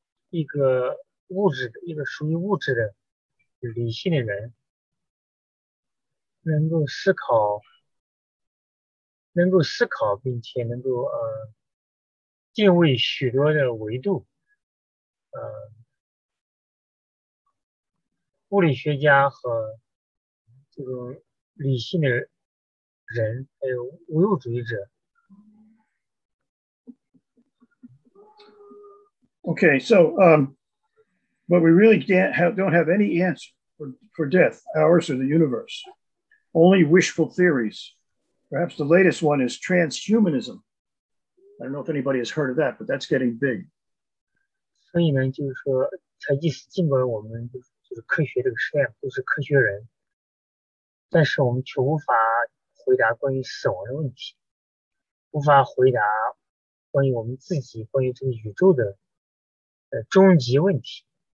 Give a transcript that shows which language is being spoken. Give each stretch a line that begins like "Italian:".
Chinese: 一个物质的，一个属于物质的理性的人能够思考并且能够定位许多的维度。物理学家和这个理性的人，还有无物主义者。
English: Okay, so, but we really don't have any answer for death, ours or the universe. Only wishful theories. Perhaps the latest one is transhumanism. I don't know if anybody has heard of that, but that's getting big.
Chinese: 所以呢，就是说，才即使尽管我们就是科学这个实验都是科学人，但是我们却无法回答关于死亡的问题，无法回答关于我们自己，关于这个宇宙的终极问题。